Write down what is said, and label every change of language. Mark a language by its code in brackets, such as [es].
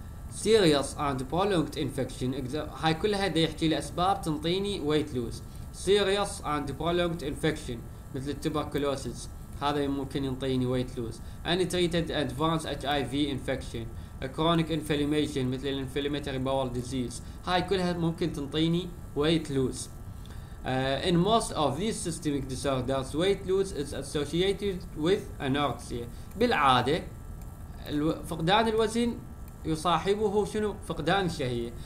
[en] Serious and prolonged infection. [ar] هاي كلها دي يحكي لأسباب تنطيني weight loss. [en] Serious and prolonged infection [ar] مثل tuberculosis هذا ممكن ينطيني weight loss. [en] Untreated advanced HIV infection. A chronic inflammation مثل inflammatory bowel disease. [ar] هاي كلها ممكن تنطيني weight loss. [en] In most of these systemic disorders weight loss is associated with anorexia. [ar] بالعادة فقدان الوزن يصاحبه شنو؟ فقدان الشهية.